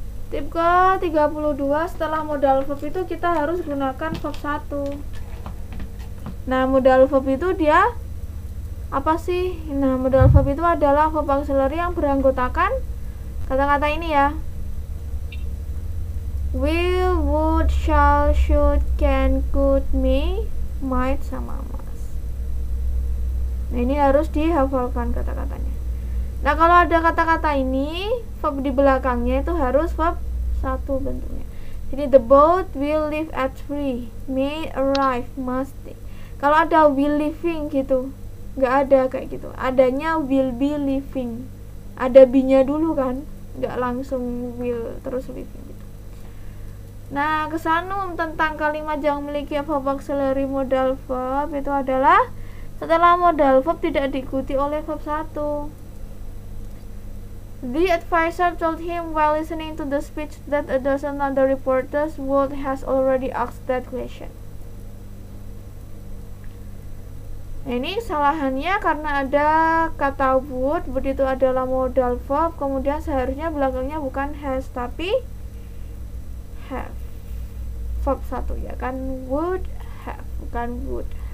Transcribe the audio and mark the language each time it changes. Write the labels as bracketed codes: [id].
[id] Tip ke-32, setelah modal verb itu kita harus gunakan verb 1. Nah, modal verb itu dia apa sih? Nah, modal verb itu adalah verb auxiliary yang beranggotakan kata-kata ini ya. [en] Will, would, shall, should, can, could, may, might, sama must. [id] Nah, ini harus dihafalkan kata-katanya. Nah, kalau ada kata-kata ini, verb di belakangnya itu harus verb 1 bentuknya. [en] Jadi the boat will leave at 3, may arrive, must. [id] Kalau ada will leaving gitu, nggak ada kayak gitu. Adanya will be leaving. Ada be-nya dulu kan, nggak langsung will terus leaving gitu. Nah, kesanum tentang kalimat yang memiliki verb auxiliary modal verb itu adalah setelah modal verb tidak diikuti oleh verb 1. [en] The advisor told him while listening to the speech that a dozen other reporters would has already asked that question. [id] Ini kesalahannya karena ada kata would, begitu adalah modal verb, kemudian seharusnya belakangnya bukan has tapi have. Verb satu ya kan, would have, bukan would.